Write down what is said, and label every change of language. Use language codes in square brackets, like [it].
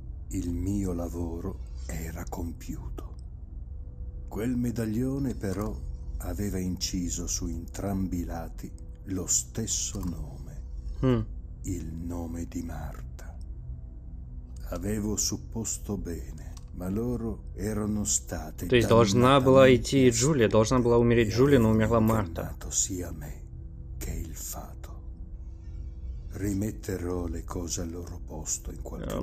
[it] Il mio lavoro era compiuto. Quel medaglione però aveva inciso su entrambi i lati lo stesso nome, il nome di Marta. Avevo supposto bene, ma loro erano state... [ru] То есть должна была идти Джулия, должна была умереть Джулия, но умерла Марта. [it] Sia me che il fato. Rimetterò le cose al loro posto in qualche modo.